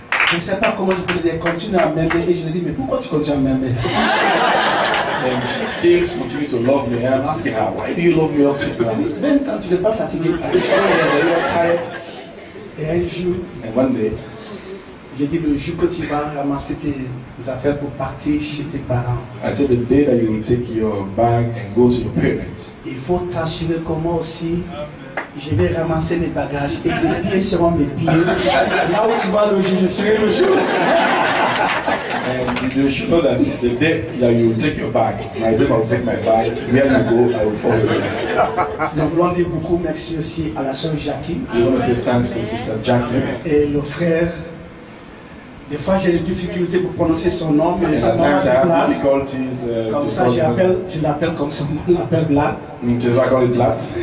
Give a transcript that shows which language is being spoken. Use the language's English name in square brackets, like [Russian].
[French] Et je ne sais pas comment je peux dire, continue à m'aimer. Et je lui dis, mais pourquoi tu continues à m'aimer? [English] And she still continues to love me. And I'm asking her, why do you love me up to today? [French] 20 ans, tu n'es pas fatigué. [English] I said, 20 years, are you tired? [French] Et un jour, [English] and one day, [French] j'ai dit le jour que tu vas ramasser tes affaires pour partir chez tes parents. [English] I said the day that you will take your bag and go to your parents. [French] Il faut t'assurer que moi aussi, je vais ramasser mes bagages et tes pieds seront mes pieds. Là où tu vas loger, je serai le jour. [English] And you should know that the day that you take your bag, myself I will take my bag, where you go, I will follow you. [French] Nous voulons dire beaucoup merci aussi à la sœur Jackie. [English] We want to say thanks to sister Jackie. [French] Et le frère, des fois j'ai des difficultés pour prononcer son nom, mais c'est pas mal. Comme ça, je l'appelle comme ça, on l'appelle Blatt. Tu vas appeler Blatt.